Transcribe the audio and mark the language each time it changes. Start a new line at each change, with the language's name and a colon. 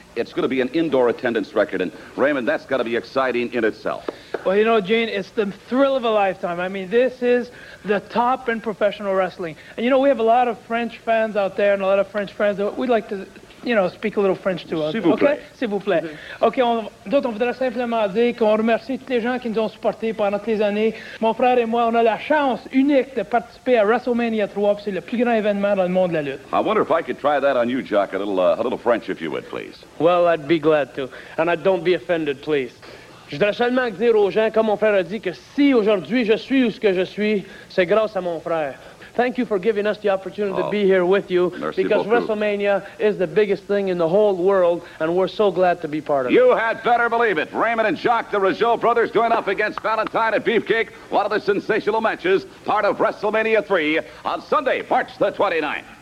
English: It's going to be an indoor attendance record, and Raymond, that's got to be exciting in itself. Well, you know, Gene, it's the thrill of a lifetime. I mean, this is the top in professional wrestling. And you know, we have a lot of French fans out there and a lot of French friends that we'd like to, you know, speak a little French to us.
French: S'il vous plaît. Okay, on voudrait simplement dire qu'on remercie tous les gens qui nous ont supportés pendant les années. Mon frère et moi, on a la chance unique de participer à WrestleMania 3, puis c'est le plus grand événement dans le monde de la lutte.
English: I wonder if I could try that on you, Jack, a little French, if you would, please. Well, I'd be glad to, and I don't be offended, please.
French: Je voudrais seulement dire aux gens, comme mon frère a dit, que si aujourd'hui je suis où ce que je suis, c'est grâce à mon frère.
English: Thank you for giving us the opportunity to be here with you, because WrestleMania is the biggest thing in the whole world, and we're so glad to be part of it. You had better believe it. Raymond and Jacques, the Rougeau brothers, going up against Valentine and Beefcake, one of the sensational matches, part of WrestleMania 3, on Sunday, March the 29th.